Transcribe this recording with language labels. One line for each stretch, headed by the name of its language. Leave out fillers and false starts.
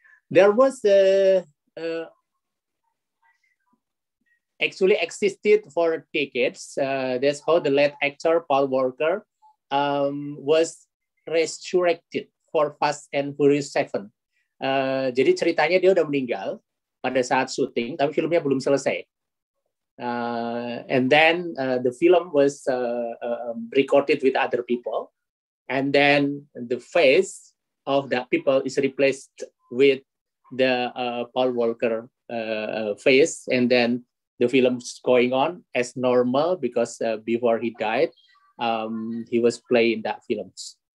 English: There was actually existed for decades. That's how the late actor Paul Walker was resurrected for Fast and Furious 7.
Indonesian: Jadi ceritanya dia udah meninggal pada saat syuting, tapi filmnya belum selesai.
English: And then the film was recorded with other people, and then the face of that people is replaced with the Paul Walker face, and then the film's going on as normal because before he died, he was playing that films.